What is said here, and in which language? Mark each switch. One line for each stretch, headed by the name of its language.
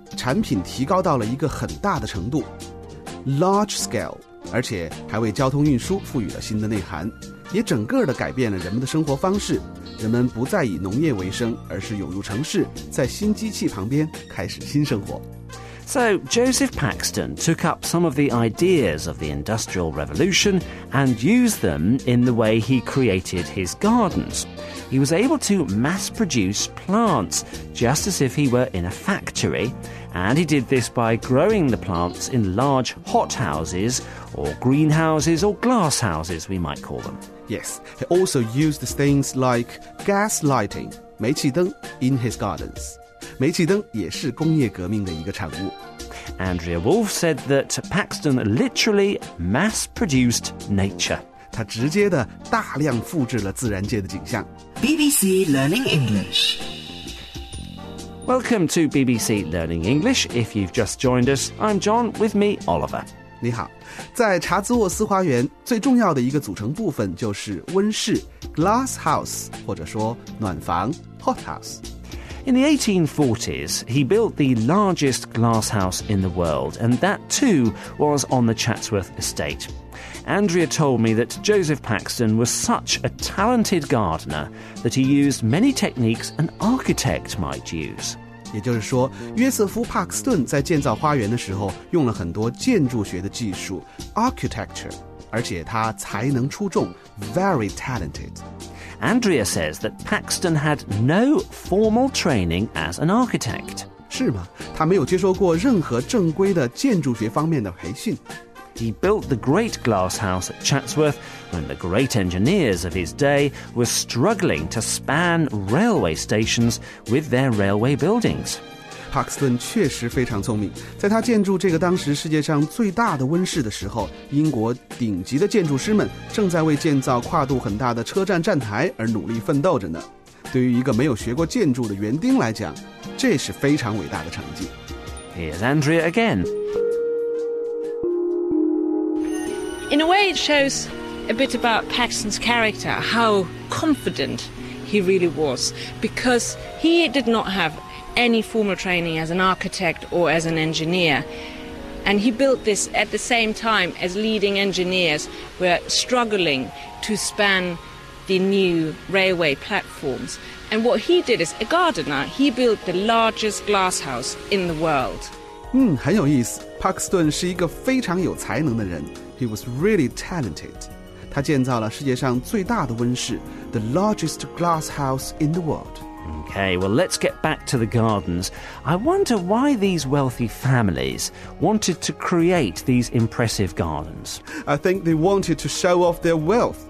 Chinese: 产品提高到了一个很大的程度
English: large scale，
Chinese: 而且还为交通运输赋予了新的内涵，也整个的改变了人们的生活方式。人们不再以农业为生，而是涌入城市，在新机器旁边开始新生活。
English: So, Joseph Paxton took up some of the ideas of the Industrial Revolution and used them in the way he created his gardens. He was able to mass-produce plants just as if he were in a factory, and he did this by growing the plants in large hothouses or greenhouses or glasshouses, we might call them. Yes, he also used things like gas lighting, 煤气灯, in his gardens.
Chinese: 煤气灯也是工业革命的一个产物。
English: Andrea Wolf said that Paxton literally mass-produced nature.
Chinese: 他直接的大量复制了自然界的景象。
English: BBC Learning English. Welcome to BBC Learning English. If you've just joined us, I'm John. With me, Oliver.
Chinese: 你好，在查兹沃斯花园最重要的一个组成部分就是温室
English: glass house，
Chinese: 或者说暖房
English: hot house。 In the 1840s, he built the largest glass house in the world, and that too was on the Chatsworth estate. Andrea told me that Joseph Paxton was such a talented gardener that he used many techniques an architect might use.
Chinese: 也就是说，约瑟夫·帕克斯顿在建造花园的时候用了很多建筑学的技术 architecture， 而且他才能出众
English: very talented. Andrea says that Paxton had no formal training as an architect.
Chinese: 是吗？他没有接受过任何正规的建筑学方面的培训。
English: He built the great glass house at Chatsworth when the great engineers of his day were struggling to span railway stations with their railway buildings.
Chinese: Paxton 确实非常聪明，在他建筑这个当时世界上最大的温室的时候，英国顶级的建筑师们正在为建造跨度很大的车站站台而努力奋斗着呢。对于一个没有学过建筑的园丁来讲，这是非常伟大的成绩。
English: Here's Andrea again. In a way it shows a bit about Paxton's character, how confident he really was, because he did not haveany formal training as an architect or as an engineer. And he built this at the same time as leading engineers were struggling to span the new railway platforms. And what he did is, a gardener, he built the largest glass house in the world.
Chinese: 很有意思。 Paxton 是一个非常有才能的人。
English: He was really talented.
Chinese: 他建造了世界上最大的温室,
English: the largest glass house in the world. Okay, well, let's get back to the gardens. I wonder why these wealthy families wanted to create these impressive gardens. I think they wanted to show off their wealth.